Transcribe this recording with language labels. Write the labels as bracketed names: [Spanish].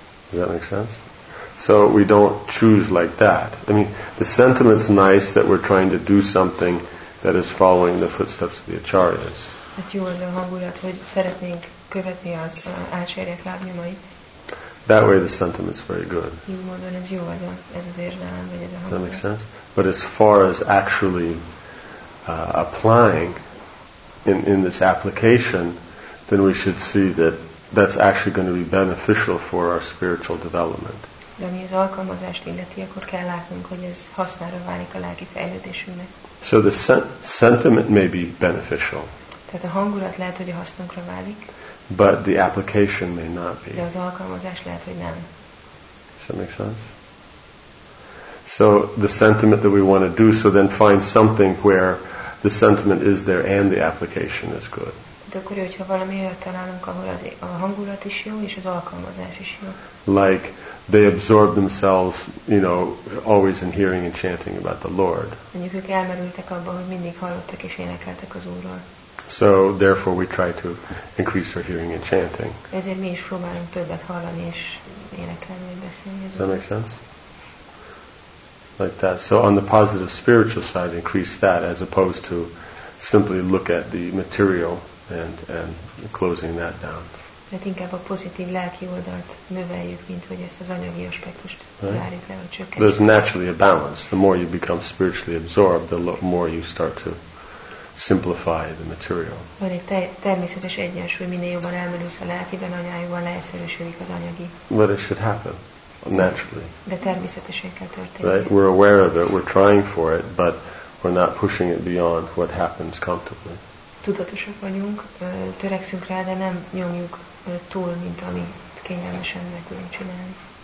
[English] Does that make sense? So we don't choose like that. I mean, the sentiment's nice that we're trying to do something that is following the footsteps of the acharyas. [Hungarian] Hát jó az a hangulat, hogy szeretnénk követni az ácsérjek lábnyomait. [English] That way the sentiment's very good. [Hungarian] Így mondom, ez jó az a, ez az érzelem, vagy ez a hangulat. [English] Does that make sense? But as far as actually applying in this application, then we should see that that's actually going to be beneficial for our spiritual development. [Hungarian] De mi az alkalmazást illeti, akkor kell látnunk, hogy ez hasznára válik a lelki fejlődésünknek. [English] So the sentiment may be beneficial. [Hungarian] Tehát a hangulat lehet, hogy a hasznunkra válik. [English] But the application may not be. [Hungarian] De az alkalmazás lehet, hogy nem. [English] Does that make sense? So the sentiment that we want to do, so then find something where the sentiment is there and the application is good. [Hungarian] De akkor, hogyha valami olyat találunk, ahol az a hangulat is jó, és az alkalmazás is jó. [English] Like they absorb themselves, you know, always in hearing and chanting about the Lord. [Hungarian] Mondjuk ők elmerültek abban, hogy mindig hallottak és énekeltek az Úrról. [English] So therefore we try to increase our hearing and chanting. [Hungarian] Ezért mi is próbálunk többet hallani és énekelni, és beszélni. [English] Does that make sense? Like that. So on the positive spiritual side, increase that as opposed to simply look at the material and closing that down. [Hungarian] Mert inkább a pozitív lelki oldalt növeljük, mint hogy ezt az anyagi aspektust várjuk le, hogy csökkentjük. [English] There's naturally a balance. The more you become spiritually absorbed, the more you start to simplify the material. [Hungarian] Van egy természetes egyensúly, minél jobban elmerülsz a lelkiben, annál jobban leegyszerűsödik az anyagi. [English] But it should happen. Naturally. [Hungarian] De természetesen kell történni. Right? [English] We're aware of it, we're trying for it, but we're not pushing it beyond what happens comfortably. [Hungarian] Tudatosak vagyunk, törekszünk rá, de nem nyomjuk túl, mint ami kényelmesen meg tudunk csinálni.